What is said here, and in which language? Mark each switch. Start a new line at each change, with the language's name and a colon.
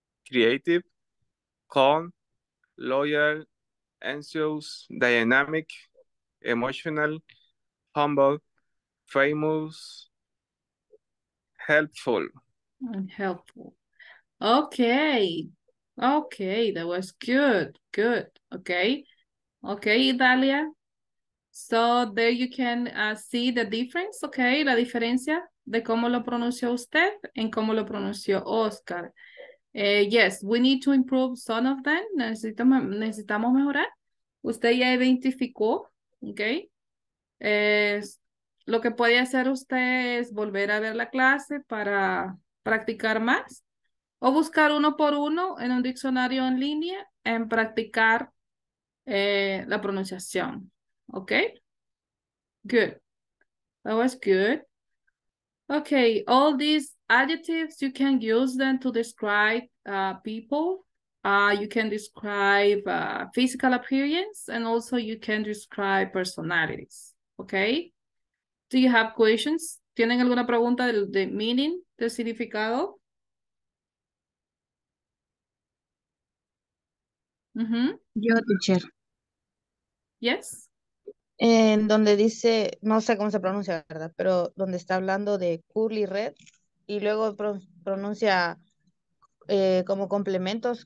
English: creative, calm, loyal, anxious, dynamic, emotional, humble, famous, helpful. Helpful. Okay. Okay. That was good. Good. Okay. Okay, Dalia. So there you can see the difference, okay?
Spanish: La diferencia de cómo lo pronunció usted en cómo lo pronunció Oscar.
English: Yes, we need to improve some of them.
Spanish: Necesitamos mejorar. Usted ya identificó,
English: okay?
Spanish: Lo que puede hacer usted es volver a ver la clase para practicar más o buscar uno por uno en un diccionario en línea en practicar la pronunciación.
English: ¿Ok? Good. That was good. Ok, all these adjectives, you can use them to describe people. You can describe physical appearance and also you can describe personalities. ¿Ok? Do you have questions?
Spanish: ¿Tienen alguna pregunta del de meaning, del significado? Yo, teacher.
English: Yes.
Spanish: En donde dice, no sé cómo se pronuncia, ¿verdad? Pero donde está hablando de
English: curly red
Spanish: y luego pronuncia como complementos.